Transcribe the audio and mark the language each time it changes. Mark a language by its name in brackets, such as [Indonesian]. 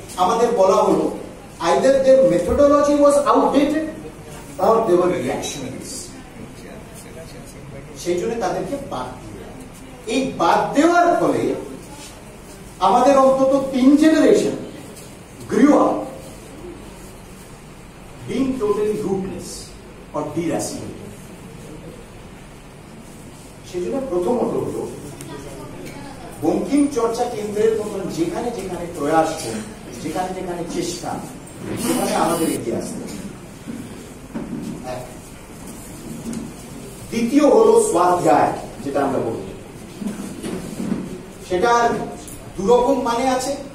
[Bangla] আমাদের বলা হলো [English] either their methodology was outdated or they were reactionaries, [Bangla] সেই জন্য তাদেরকে বাদ দিয়ে, এই বাদ দেওয়ার ফলে আমাদের অন্তত তিন generation [English] Grew up, being totally rootless or deracinated. [Bangla] সেজন্য প্রথমত হলো বঙ্কিমচর্চা কেন্দ্রের মতন যেখানে যেখানে প্রয়াস, যেখানে যেখানে চেষ্টা, সেখানে আমাদের এগিয়ে আসতে। দ্বিতীয় হলো স্বাধ্যায়, যেটা আমরা বলি সেটার দুরকম মানে আছে।